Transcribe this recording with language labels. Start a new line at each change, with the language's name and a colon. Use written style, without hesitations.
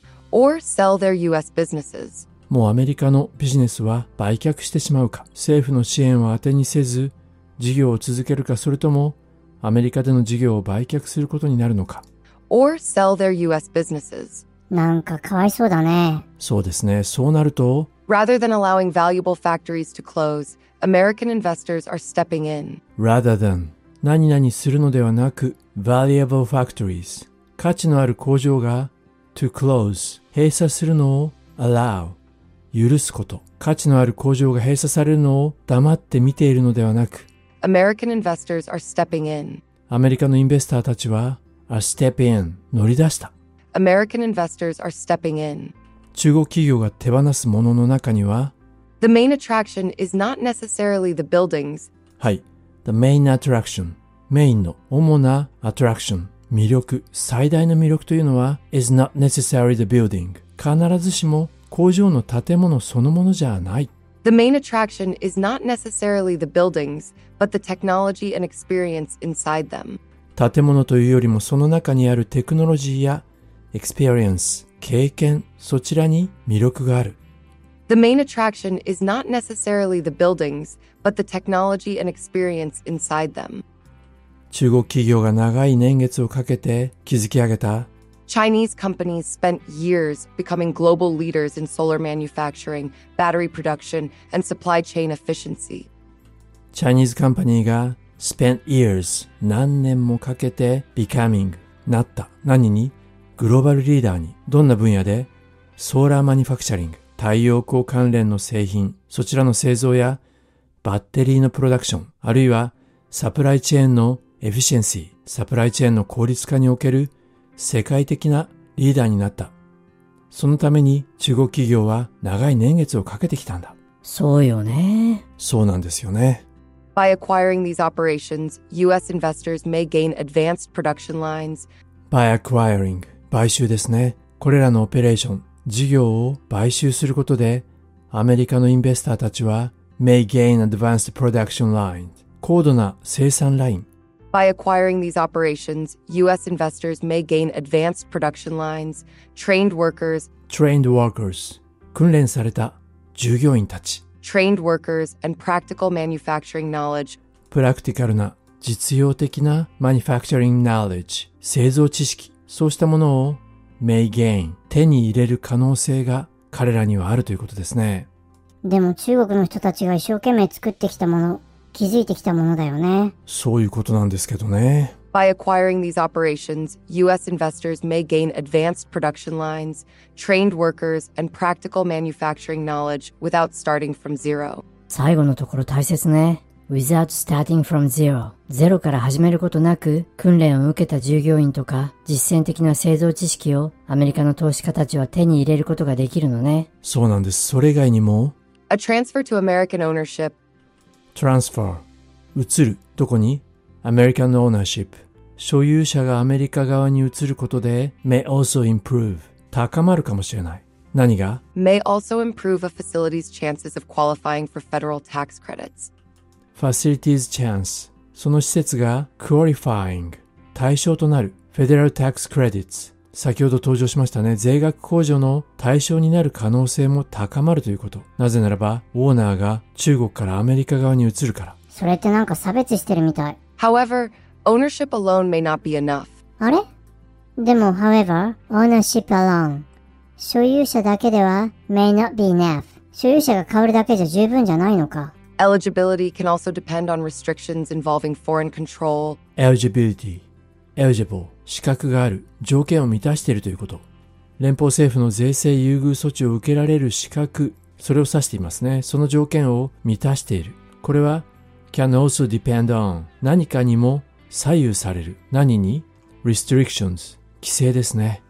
English: Or sell their US businesses.
Japanese: もうアメリカのビジネスは売却してしまうか。政府の支援を当てにせず、事業を続けるか、それともアメリカでの事業を売却することになるのか。
English: Or sell their US businesses.
Japanese: なんかかわいそうだね。そうですね。そうなると、
English: Rather than allowing valuable factories to close,American investors are stepping in. Rather than
Japanese: 何々するのではなく
English: valuable factories
Japanese: 価値のある工場が
English: to close
Japanese: 閉鎖するのを allow 許すこと価値のある工場が閉鎖されるのを黙って見ているのではなく
English: American investors are stepping in.
Japanese: アメリカのインベスターたちは
English: a step in
Japanese: 乗り出した。
English: American investors are stepping in.
Japanese: 中国企業が手放すものの中には
English: The main attraction is not necessarily the buildings. はい。The main attraction.
Japanese: メインの主なアトラクション。魅力、最大の魅力というのは
English: is not necessarily the building.
Japanese: 必ずしも工場の建物そのものじゃない。
English: The main attraction is not necessarily the buildings, but the technology and experience inside them.
Japanese: 建物というよりもその中にあるテクノロジーや experience、経験、そちらに魅力がある。
English: The main attraction is not necessarily the buildings, but the technology and experience inside them.
Japanese: 中国企業が長い年月をかけて築き上げた
English: Chinese companies spent years becoming global leaders in solar manufacturing, battery production, and supply chain efficiency.
Japanese: Chinese company が
English: spent years
Japanese: 何年もかけて becoming なった何にグローバルリーダーにどんな分野でソーラーマニファクチャリング太陽光関連の製品そちらの製造やバッテリーのプロダクションあるいはサプライチェーンのエフィシェンシーサプライチェーンの効率化における世界的なリーダーになった。そのために中国企業は長い年月をかけてきたんだ。そうよね。そうなんですよね。
English: By acquiring these operations, US investors may gain advanced production lines. By acquiring,
Japanese: 買収ですね。これらのオペレーション、事業を買収することで、アメリカのインベスターたちは
English: may gain advanced production lines.
Japanese: 高度な生産ライン。
English: By acquiring these operations, U.S. investors may gain advanced production lines, trained workers, trained workers,
Japanese: 訓練された従業員たち
English: trained workers and practical manufacturing knowledge,
Japanese: practical な実用的な
English: manufacturing knowledge,
Japanese: 製造知識そうしたものを
English: may gain,
Japanese: 手に入れる可能性が彼らにはあるということですね。でも中国の人たちが一生懸命作ってきたもの気づいてきたものだよね。そういうことなんですけどね。
English: By acquiring these operations, U.S. investors may gain advanced production lines, trained workers, and practical manufacturing knowledge without starting from zero.
Japanese: 最後のところ大切ね。
English: Without starting from zero.
Japanese: ゼロから始めることなく、訓練を受けた従業員とか、実践的な製造知識をアメリカの投資家たちは手に入れることができるのね。そうなんです。それ以外にも、
English: A transfer to American ownership.
Japanese: Transfer 移るどこに American ownership 所有者がアメリカ側に移ることで
English: May also improve
Japanese: 高まるかもしれない何が
English: May also improve a facility's chances of qualifying for federal tax credits
Japanese: Facility's chance その施設が qualifying 対象となる
English: Federal tax credits
Japanese: 先ほど登場しましたね税額控除の対象になる可能性も高まるということなぜならばオーナーが中国からアメリカ側に移るからそれってなんか差別してるみたい
English: However, ownership alone may not be enough
Japanese: あれでも
English: However, ownership alone
Japanese: 所有者だけでは
English: may not be enough
Japanese: 所有者が変わるだけじゃ十分じゃないのか
English: Eligibility can also depend on restrictions involving foreign control
Japanese: Eligibility Eligible 資格がある条件を満たしているということ連邦政府の税制優遇措置を受けられる資格それを指していますねその条件を満たしているこれは
English: can also depend on
Japanese: 何かにも左右される何に restrictions 規制ですね